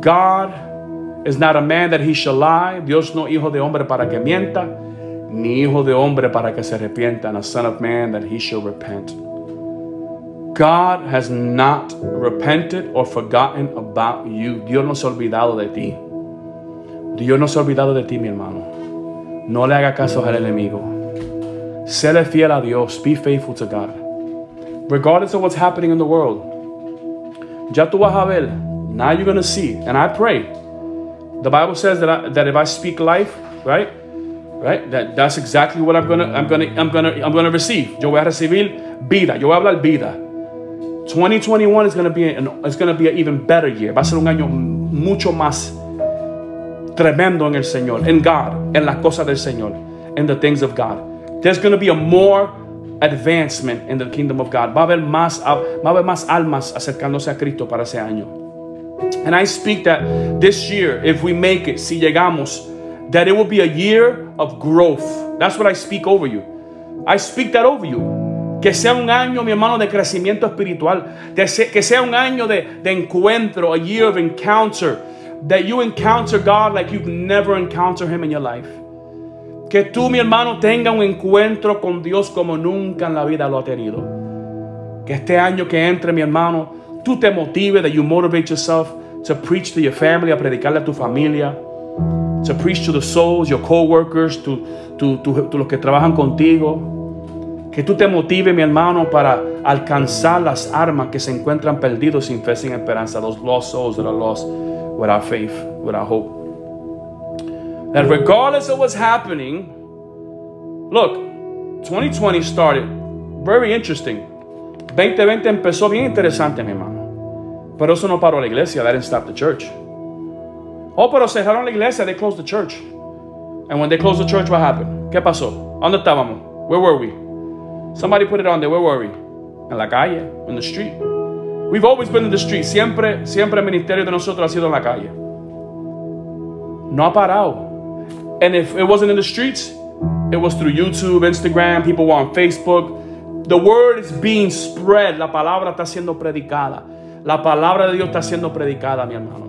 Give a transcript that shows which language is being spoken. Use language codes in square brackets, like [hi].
[en] God is not a man that he shall lie. [es] Dios no hijo de hombre para que mienta, ni hijo de hombre para que se arrepienta, [en] and a son of man that he shall repent. God has not repented or forgotten about you. [es] Dios no se ha olvidado de ti. Dios no se ha olvidado de ti, mi hermano. No le haga caso al enemigo. Séle fiel a Dios. [en] Be faithful to God. Regardless of what's happening in the world, [es] ya tú vas a ver. [en] Now you're going to see. And I pray The Bible says that if I speak life, right? Right? That's exactly what I'm gonna receive. [es] Yo voy a recibir vida. Yo voy a hablar vida. [en] 2021 is gonna be an even better year. [es] Va a ser un año mucho más tremendo en el Señor, en God, en las cosas del Señor, [en] in the things of God. There's gonna be a more advancement in the kingdom of God. [es] Va a haber más almas acercándose a Cristo para ese año. [en] And I speak that this year, if we make it, [es] si llegamos, [en] that it will be a year of growth. That's what I speak over you. I speak that over you. [es] Que sea un año, mi hermano, de crecimiento espiritual. Que sea un año de encuentro, [en] a year of encounter. That you encounter God like you've never encountered him in your life. [es] Que tú, mi hermano, tenga un encuentro con Dios como nunca en la vida lo ha tenido. Que este año que entre, mi hermano, tú te motive, [en] that you motivate yourself to preach to your family, [es] a predicarle a tu familia, [en] to preach to the souls, your co-workers, to [es] los que trabajan contigo. Que tú te motive, mi hermano, para alcanzar las armas que se encuentran perdidos sin fe, sin esperanza. [en] Those lost souls that are lost without faith, without hope. That regardless of what's happening, look, 2020 started very interesting. [es] 2020 empezó bien interesante, mi hermano. Pero eso no paró la iglesia. [en] That didn't stop the church. [es] Oh, pero cerraron la iglesia. [en] They closed the church. And when they closed the church, what happened? [es] ¿Qué pasó? ¿Dónde estábamos? [en] Where were we? Somebody put it on there. Where were we? [es] En la calle. [en] In the street. We've always been in the street. [es] Siempre, siempre el ministerio de nosotros ha sido en la calle. No ha parado. [en] And if it wasn't in the streets, it was through YouTube, Instagram, people were on Facebook. The word is being spread. [es] La palabra está siendo predicada. La palabra de Dios está siendo predicada, mi hermano.